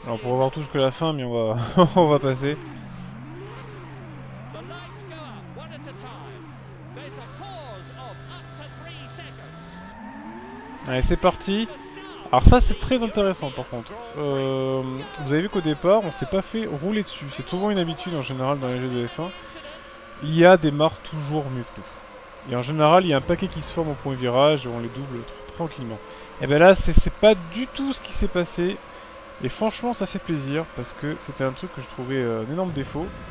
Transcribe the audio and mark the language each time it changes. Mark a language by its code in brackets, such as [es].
[fr] Alors, on pourra voir tout jusqu'à la fin, mais on va on va passer. [en] The lights go up one at a time. There's a pause of up to 3 seconds. [fr] Allez, c'est parti. Alors ça, c'est très intéressant par contre. Vous avez vu qu'au départ, on s'est pas fait rouler dessus. C'est souvent une habitude en général dans les jeux de F1. L'IA démarre toujours mieux que nous. Et en général, il y a un paquet qui se forme au premier virage et on les double tranquillement. Et bien là, c'est pas du tout ce qui s'est passé. Et franchement, ça fait plaisir parce que c'était un truc que je trouvais un énorme défaut.